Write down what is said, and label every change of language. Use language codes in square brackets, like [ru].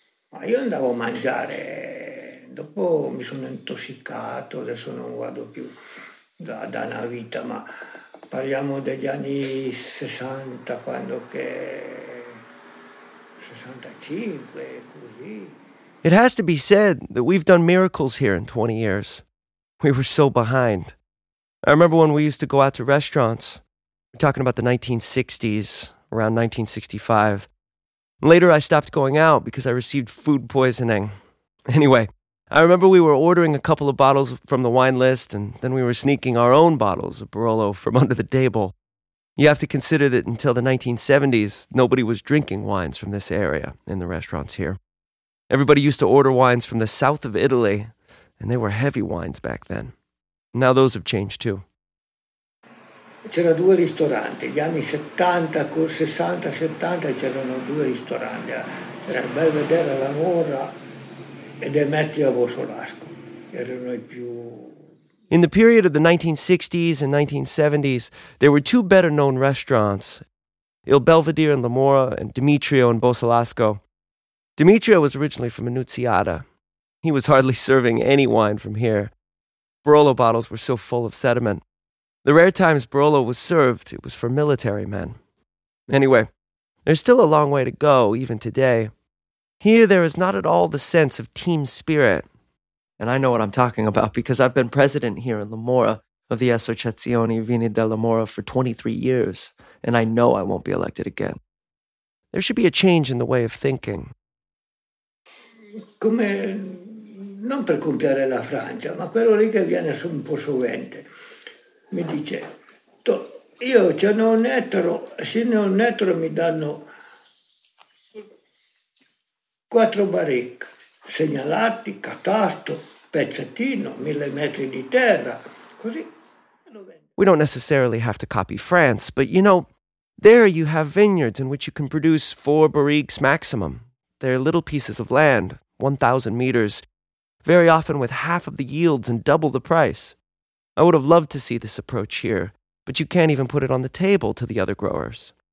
[it] Ma io andavo a mangiare, dopo mi sono intossicato, adesso non vado più da una vita, ma parliamo degli anni 60, quando che 65, così. [en] It has to be said that we've done miracles here in 20 years. We were so behind. I remember when we used to go out to restaurants. We're talking about the 1960s, around 1965. Later, I stopped going out because I received food poisoning. Anyway, I remember we were ordering a couple of bottles from the wine list, and then we were sneaking our own bottles of Barolo from under the table. You have to consider that until the 1970s, nobody was drinking wines from this area in the restaurants here. Everybody used to order wines from the south of Italy, and they were heavy wines back then. Now those have changed too. [it] C'era due ristoranti, gli anni 70, 60, 70 c'erano due ristoranti. Era il Belvedere, la Mora, e Demetrio Bosolasco. Erano i più. [en] In the period of the 1960s and 1970s, there were two better known restaurants, Il Belvedere in La Mora and Demetrio in Bosolasco. Demetrio was originally from Annunziata. He was hardly serving any wine from here. Barolo bottles were so full of sediment. The rare times Barolo was served, it was for military men. Anyway, there's still a long way to go, even today. Here, there is not at all the sense of team spirit. And I know what I'm talking about because I've been president here in La Mora of the Associazione Vini della Mora for 23 years, and I know I won't be elected again. There should be a change in the way of thinking. Come in. [it] Non per compiare la Francia, ma quello lì che viene su un po' sovente. Mi dice, io ce n'ho un ettaro, se ne ho un ettaro mi danno quattro barricche, segnalati, catasto, pezzettino, mille metri di terra, così. [en] We don't necessarily have to copy France, but you know, there you have vineyards in which you can produce four barriques maximum. They're little pieces of land, 1,000 meters, very often with half of the yields and double the price. I would have loved to see this approach here, but you can't even put it on the table to the other growers.